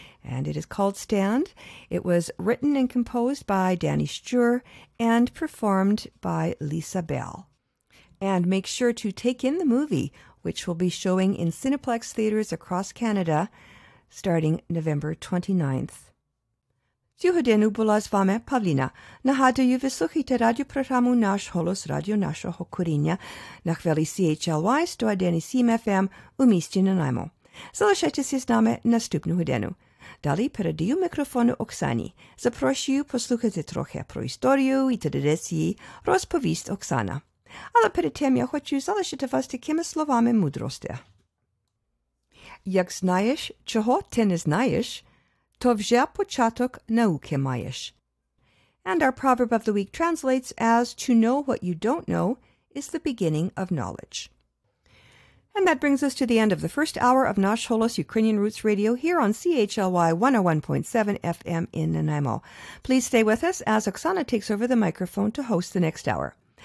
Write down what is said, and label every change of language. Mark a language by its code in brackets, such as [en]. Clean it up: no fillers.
[en] And it is called Stand. It was written and composed by Danny Stuhr and performed by Lisa Bell. And make sure to take in the movie, which will be showing in Cineplex theaters across Canada starting November 29th. [uk] Сьогодні була з вами Павліна. Нагадую, ви слухаєте радіопрограму «Наш голос» радіо нашого коріння на хвилі CHLY 101.7 FM у місті Нанаймо. Залишайтеся з нами наступну годину. Далі передаю мікрофону Оксані. Запрошую послухати трохи про історію і традиції, розповість Оксана. Але перед тим я хочу залишити вас такими словами мудрості. Як знаєш, чого ти не знаєш, то вже початок науки маєш. [en] And our proverb of the week translates as, to know what you don't know is the beginning of knowledge. And that brings us to the end of the first hour of Nash Holos Ukrainian Roots Radio here on CHLY 101.7 FM in Nanaimo. Please stay with us as Oksana takes over the microphone to host the next hour.